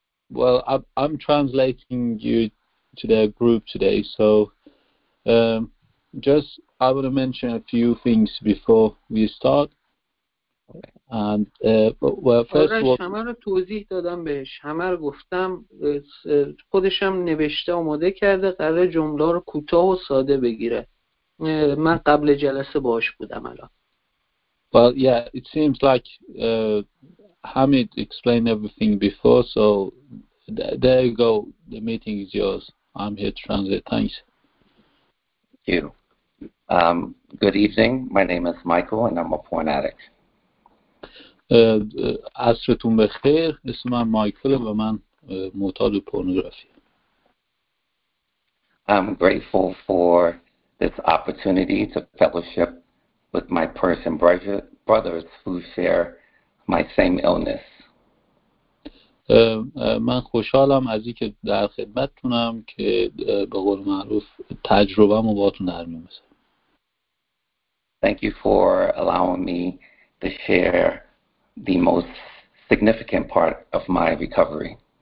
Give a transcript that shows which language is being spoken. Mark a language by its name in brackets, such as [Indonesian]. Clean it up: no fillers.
[English] Well, I'm translating you to the group today, so just I want to mention a few things before we start. And well, first of [Persian] آرش [English] all, [Persian] همه رو توضیح دادم بهش، همه رو گفتم، خودشم نوشته آماده کرده، قرار جمله رو کوتاه و ساده بگیره. من قبل جلسه باهاش بودم الان. [English] well, yeah, it seems like Hamid explained everything before, so there you go. The meeting is yours. I'm here to translate. Thanks. Thank you. Good evening. My name is Michael, and I'm a porn addict. [Persian] عصرتون بخیر. اسم من مایکل و من معتاد پورنوگرافی. [English] I'm grateful for this opportunity to fellowship with my person brothers who share my same illness. [Persian] من خوشحالم از اینکه در خدمتتونم که به قول معروف تجربه‌مو باهاتون در میون بذارم. [English] Thank you for allowing me to share the most significant part of my recovery.